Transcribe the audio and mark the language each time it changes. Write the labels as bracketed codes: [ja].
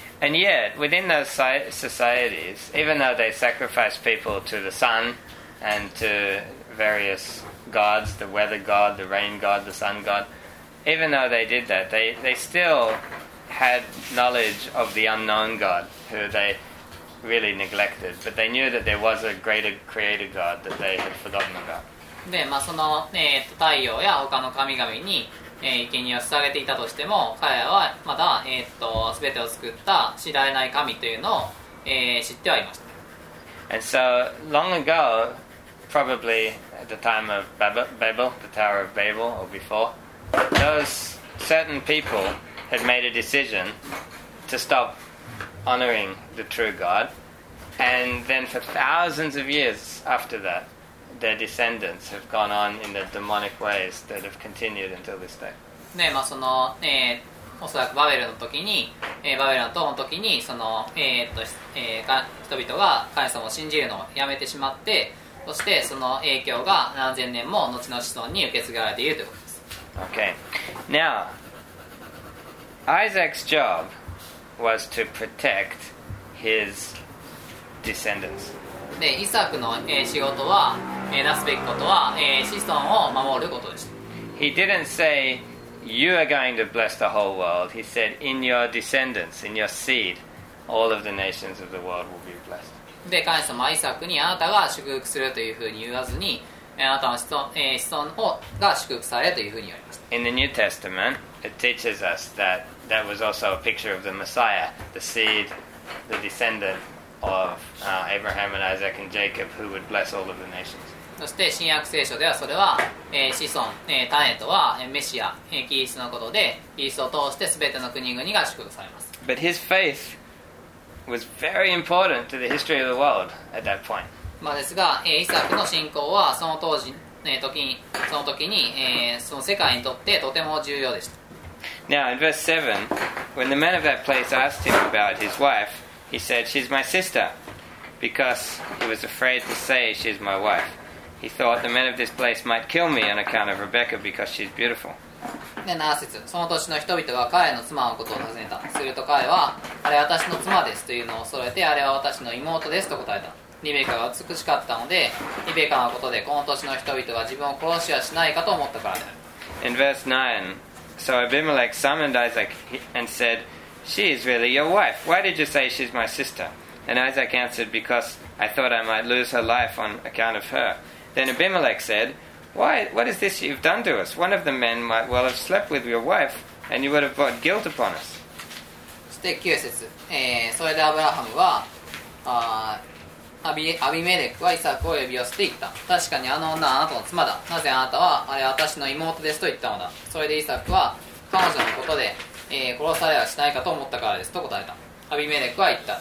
[en] And yet, within those societies, even though they sacrificed people to the sun and to various gods, the weather god, the rain god, the sun god, even though they did that, they still had knowledge of the unknown god, who they really neglected. But they knew that there was a greater creator god that they had forgotten about. [ja] で、まあ、その、太陽や他の神々に生贄を捧げていたとしても彼らはまだ、全てを救った知られない神というのを、知ってはいました。 [en] And so long ago, probably at the time of Babel, the Tower of Babel, or before, those certain people had made a decision to stop honoring the true God, and then for thousands of years after thatTheir descendants have gone on in the demonic ways that have continued until this day. [ja] ね、まあその、おそらくバベルの時に、バベルの塔の時にその、人々が神様を信じるのをやめてしまって、そしてその影響が何千年も後の子孫に受け継がれているということです。 [en] Okay. Now, Isaac's job was to protect his descendants. [ja] で、イサクの、仕事は、なすべきことは、子孫を守ることでした。 [en] He didn't say, you are going to bless the whole world. He said, in your descendants, in your seed, all of the nations of the world will be blessed. [ja] で、神様はイサクにあなたが祝福するというふうに言わずに、あなたの子孫、子孫をが祝福されるというふうに言われました。 [en] In the New Testament, it teaches us that that was also a picture of the Messiah, the seed, the descendant. Of Abraham and Isaac and Jacob, who would bless all of the nations. [ja] そして新約聖書ではそれは、子孫、種とは、メシア、キリストのことで、キリストを通して全ての国々が祝福されます。 [en] But his faith was very important to the history of the world at that point. [ja] まあですが、イサクの信仰はその当時、その時に、その世界にとってとても重要でした。 [en] Now, in verse 7, when the men of that place asked him about his wife,He said, she's my sister, because he was afraid to say she's my wife. He thought the men of this place might kill me on account of Rebecca because she's beautiful. [ja] で、7節、その年の人々が彼の妻のことを尋ねた。すると彼は、あれは私の妻ですというのを恐れて、あれは私の妹ですと答えた。リベカが美しかったので、リベカのことでこの年の人々が自分を殺しはしないかと思ったからである。 [en] In verse 9, so Abimelech summoned Isaac and said,She is really your wife. Why did you say she's my sister? And Isaac answered, because I thought I might lose her life on account of her. Then Abimelech said, Why, what is this you've done to us? One of the men might well have slept with your wife, and you would have brought guilt upon us. [ja] そして9節、それでアブラハムは、アビメレクはイサクを呼び寄せて言った。確かにあの女はあなたの妻だ。なぜあなたはあれは私の妹ですと言ったのだ。それでイサクは彼女のことで、殺されはしないかと思ったからですと答えた。アビメレクは言った。